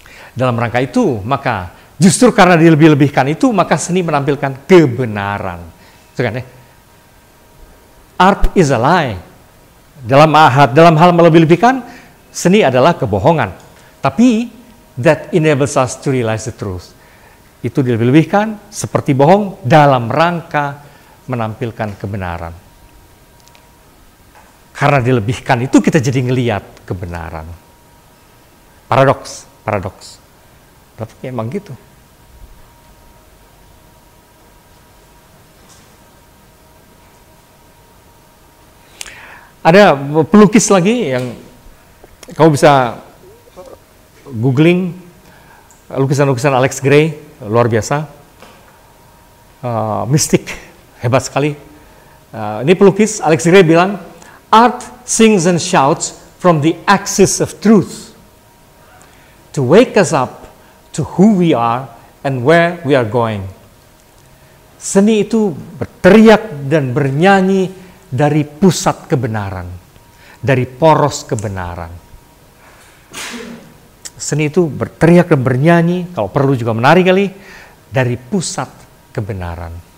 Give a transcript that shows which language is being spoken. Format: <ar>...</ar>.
<id>Dalam rangka itu, maka justru karena dilebih-lebihkan itu, maka seni menampilkan kebenaran. Itu kan ya?</id> <en>Art is a lie.</en> <id>Dalam hal melebih-lebihkan, seni adalah kebohongan. Tapi,</id> <en>that enables us to realize the truth.</en> <id>Itu dilebih-lebihkan seperti bohong dalam rangka menampilkan kebenaran. Karena dilebihkan itu kita jadi ngelihat kebenaran. Paradoks. Tapi emang gitu. Ada pelukis lagi yang kamu bisa googling, lukisan-lukisan Alex Gray, luar biasa, mistik, hebat sekali. Ini pelukis, Alex Gray bilang,</id> <en>art sings and shouts from the axis of truth to wake us up to who we are and where we are going.</en> <id>Seni itu berteriak dan bernyanyi dari pusat kebenaran, dari poros kebenaran. Seni itu berteriak dan bernyanyi, kalau perlu juga menari kali, dari pusat kebenaran.</id>